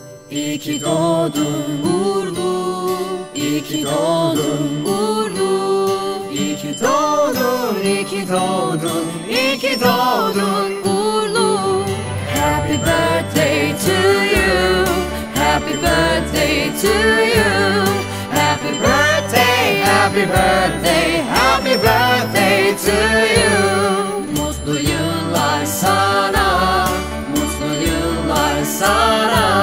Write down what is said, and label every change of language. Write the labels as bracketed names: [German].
[Turkish] İyi ki doğdun Urlu, İyi ki doğdun Urlu, İyi ki doğdun, İyi ki doğdun, İyi ki doğdun Urlu. [English] Happy birthday to you, happy birthday to you, happy birthday, happy birthday, happy birthday to you. [Turkish] Mutlu yıllar sana, mutlu yıllar sana.